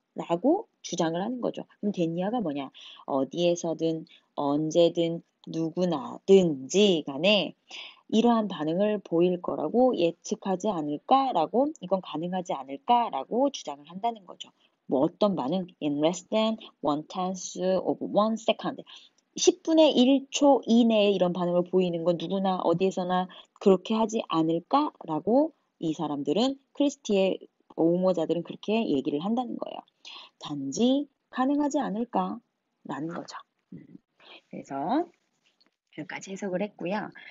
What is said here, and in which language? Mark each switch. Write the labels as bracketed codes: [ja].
[ko] 라고 주장을 하는 거죠. 그럼 됐냐가 뭐냐? 어디에서든, 언제든, 누구나든지 간에, 이러한 반응을 보일 거라고 예측하지 않을까라고, 이건 가능하지 않을까라고 주장을 한다는 거죠. 뭐 어떤 반응? [en] In less than one tenth of one second. [ko] 10분의 1초 이내에 이런 반응을 보이는 건 누구나 어디에서나 그렇게 하지 않을까라고 이 사람들은, 크리스티의 옹호자들은 그렇게 얘기를 한다는 거예요. 단지 가능하지 않을까라는 거죠. 그래서, 여기까지 해석을 했고요.